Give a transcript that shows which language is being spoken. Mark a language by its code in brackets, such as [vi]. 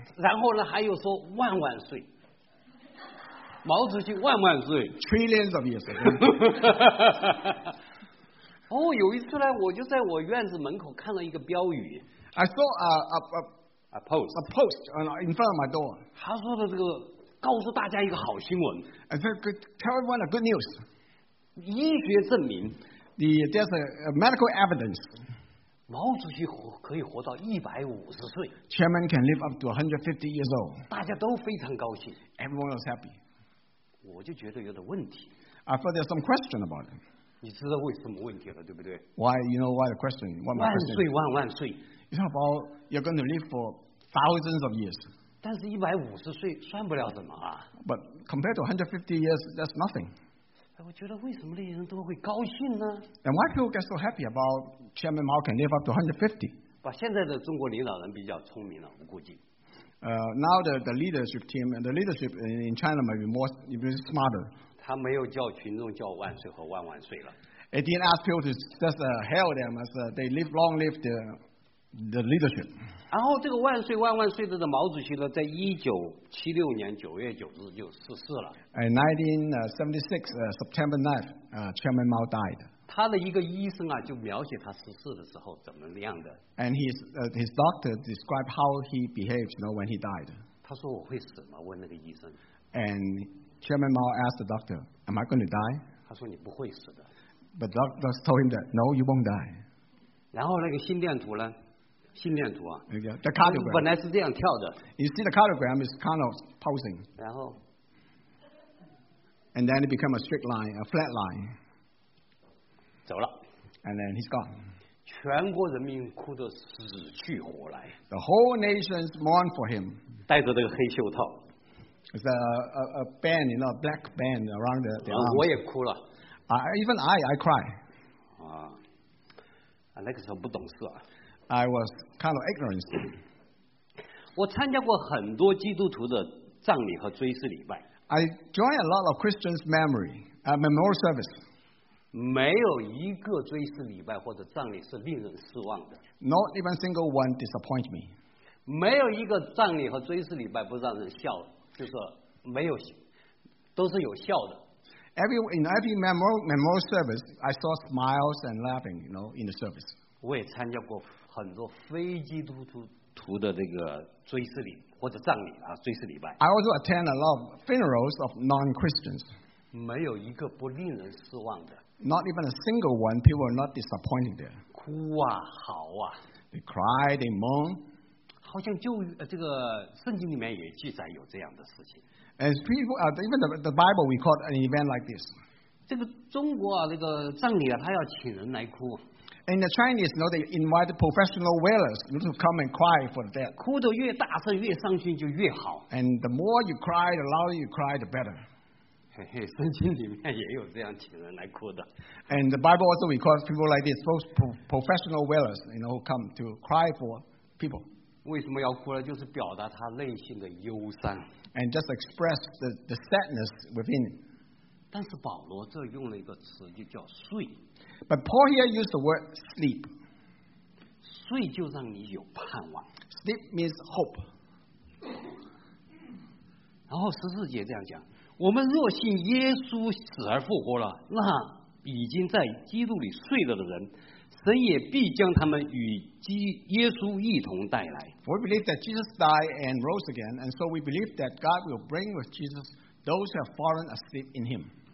[zh] 然后呢还有说万万岁，毛主席万万岁 [en] trillions of years. [zh] 有一次呢我就在我院子门口看了一个标语。 [en] I saw a post in front of my door. [zh] 他说的这个告诉大家一个好新闻。 [en] I said, tell everyone a good news. [zh] 医学证明 [en] there's a medical evidence. [zh] 毛主席可以活到150岁。 [en] Chairman can live up to 150 years old. [zh] 大家都非常高兴。 [en] Everyone was happy. [zh] 我就觉得有点问题。 [en] I thought there's some question about it. [zh] 你知道为什么问题了，对不对 [en] ？Why you know why the question? What my question? [zh] 万岁万万岁。 [en] It's about you're going to live for thousands of years. [zh] 但是150岁算不了什么啊。 [en] But compared to 150 years, that's nothing. [zh] 我觉得为什么那些人都会高兴呢 [en] ？And why people get so happy about Chairman Mao can live up to 150？ [zh] 把现在的中国领导人比较聪明了，我估计。 [en] Now the leadership team and the leadership in China might be more smarter. [zh] 他没有叫群众叫万岁和万万岁了。 [en] It didn't ask people to just hail them as they live long live the leadership. [zh] 然后这个万岁万万岁的毛主席呢，在1976年九月九日就逝世了。 [en] In 1976, September 9th, Chairman Mao died. [zh] 他的一个医生啊，就描写他逝世的时候怎么样的。 [en] And his doctor described how he behaved, you know, when he died. [zh] 他说我会死吗？问那个医生。 [en] And Chairman Mao asked the doctor, "Am I going to die?" [zh] 他说你不会死的。 [en] But doctor told him that, "No, you won't die." [zh] 然后那个心电图呢？心电图啊。 [en] Yeah, the cardiogram. [zh] 本来是这样跳的。 [en] You see, the cardiogram is kind of pulsing. [zh] 然后。 [en] And then it became a straight line, a flat line. [zh] 走了。 [en] And then he's gone. [zh] 全国人民哭得死去活来。 [en] The whole nation mourned for him. [zh] 戴着这个黑袖套。 [en] It's a band, you know, a black band around the arm. [zh] 我也哭了。 [en] Even I cry. [zh] 啊，那个时候不懂事啊。 [en] I was kind of ignorant. [zh] 我参加过很多基督徒的葬礼和追思礼拜。 [en] I join a lot of Christians' memorial service. [zh] 没有一个追思礼拜或者葬礼是令人失望的。 [en] Not even single one disappoint me. [zh] 没有一个葬礼和追思礼拜不让人笑，就是没有，都是有笑的。 [en] In every memorial service, I saw smiles and laughing, you know, in the service. [zh] 我也参加过很多非基督徒的这个追思礼。或者葬礼啊，追思礼拜。 [en] I also attend a lot of funerals of non-Christians. [zh] 没有一个不令人失望的。 [en] Not even a single one, people are not disappointed there. [zh] 哭啊，嚎啊。 [en] They cry, they moan. [zh] 好像就这个圣经里面也记载有这样的事情。 [en] And people, even the Bible, we call an event like this. [zh] 这个中国啊，这个葬礼啊，他要请人来哭。 [en] And the Chinese, you know, they invite professional wailers to come and cry for the dead. [zh] 哭得越大声，越伤心就越好。 [en] And the more you cry, the louder you cry, the better. [zh] 圣经里面也有这样请人来哭的。 [en] And the Bible also records people like this, those professional wailers, you know, come to cry for people. [zh] 为什么要哭呢？就是表达他内心的忧伤。 [en] And just express the sadness within. [zh] 但是保罗这用了一个词，就叫睡。 [en] But Paul here used the word sleep. [zh] 睡就让你有盼望。 [en] Sleep means hope. [zh] 然后十四节这样讲，我们若信耶稣死而复活了，那已经在基督里睡了的人，神也必将他们与耶稣一同带来。 [en] We believe that Jesus died and rose again, and so we believe that God will bring with Jesus those who have fallen asleep in him.